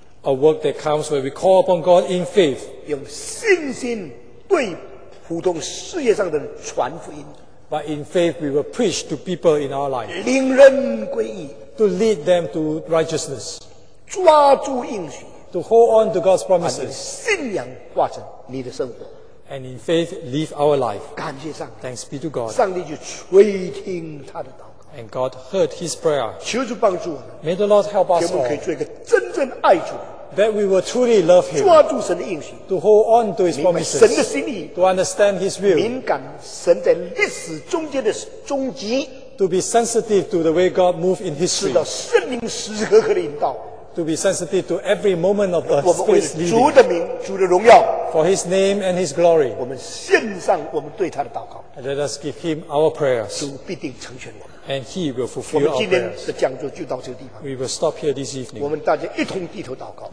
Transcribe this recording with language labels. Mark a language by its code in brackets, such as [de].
[en] A work that comes when we call upon God in faith. [zh] 用信心对普通事业上的人传福音。 [en] But in faith we will preach to people in our life. [zh] 领人归义。 [en] To lead them to righteousness. [zh] 抓住应许。 [en] To hold on to God's promises. [zh] 把你的信仰挂成你的生活。 [en] And in faith, live our life. [zh] 感谢上帝。 [en] Thanks be to God. [zh] 上帝就垂听他的祷告。 [en] And God heard his prayer. [zh] 求主帮助我们。 [en] May the Lord help us all. [zh] 我们可以做一个真正爱主。 [en] That we will truly love him. [zh] 抓住神的应许。 [en] To hold on to his promises. [zh] 明白神的心意。 [en] To understand his will. [zh] 敏感神在历史中间的终极。 [en] To be sensitive to the way God moves in history. [zh] 知道圣灵时时刻刻的引导。 [en] To be sensitive to every moment of the Spirit's leading. [zh] 主的名，主的荣耀。 [en] For His name and His glory. [zh] 我们献上我们对他的祷告。 [en] Let us give Him our prayers. [zh] 主必定成全我们。 [en] And He will fulfill our prayers. [zh] 我们今天的讲座就到这个地方。 [en] We will stop here this evening. [zh] 我们大家一同低头祷告。